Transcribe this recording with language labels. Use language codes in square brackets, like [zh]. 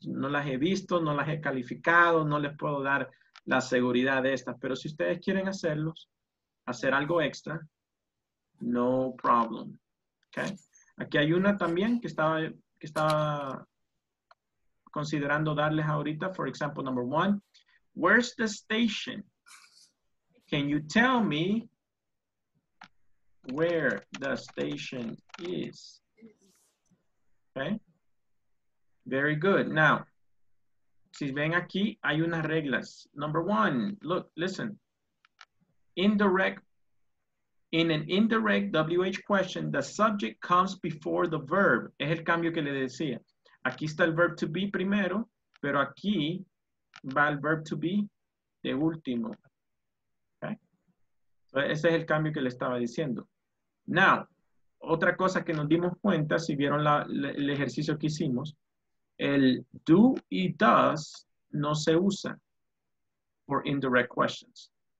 [es] No las he visto, no las he calificado, no les puedo dar la seguridad de estas. Pero si ustedes quieren hacer algo extra, [en] no problem. [es] Okay? Aquí hay una también que estaba considerando darles ahorita. [en] For example, number one, where's the station? Can you tell me where the station is? Okay. Very good. Now, [es] si ven aquí, hay unas reglas. [en] Number one, look, listen. In an indirect WH question, the subject comes before the verb. [es] Es el cambio que le decía. Aquí está el verb to be primero, pero aquí va el verb to be de último. Okay. Ese es el cambio que le estaba diciendo. Now, otra cosa que nos dimos cuenta, si vieron el ejercicio que hicimos, el do y does no se usa [en] for indirect questions.